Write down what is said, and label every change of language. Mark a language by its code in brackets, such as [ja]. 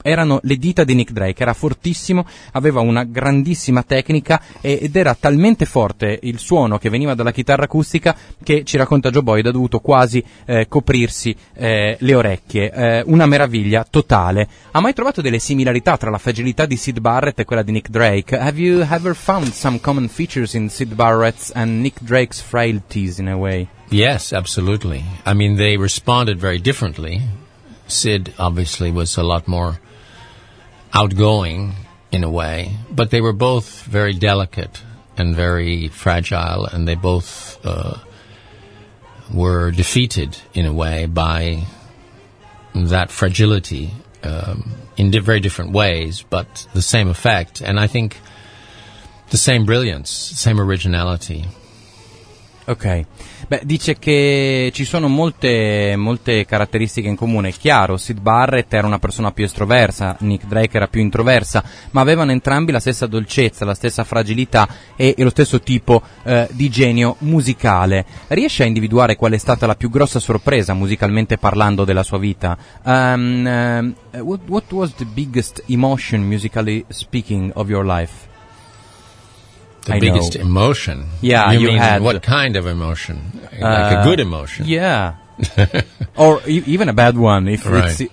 [it] Erano le dita di Nick Drake, era fortissimo, aveva una grandissima tecnica ed era talmente forte il suono che veniva dalla chitarra acustica che, ci racconta Joe Boyd, ha dovuto quasi coprirsi le orecchie. Una meraviglia totale. Ha mai trovato delle similarità tra la fragilità di Syd Barrett e quella di Nick Drake? [en] Have you ever found some common features in Syd Barrett's and Nick Drake's frailties in a way? Yes, absolutely. I mean, they responded very differently. Syd obviously was a lot more outgoing in a way, but they were both very delicate and very fragile, and they both were defeated in a way by that fragility in very different ways, but the same effect, and I think the same brilliance, same originality. Okay. [it] Beh, dice che ci sono molte caratteristiche in comune. È chiaro, Syd Barrett era una persona più estroversa, Nick Drake era più introversa, ma avevano entrambi la stessa dolcezza, la stessa fragilità e lo stesso tipo di genio musicale. Riesce a individuare qual è stata la più grossa sorpresa musicalmente parlando della sua vita? [en] What was the biggest emotion musically speaking of your life? The biggest emotion? Yeah, you mean had what kind of emotion? Like a good emotion? Yeah. Or even a bad one, if right.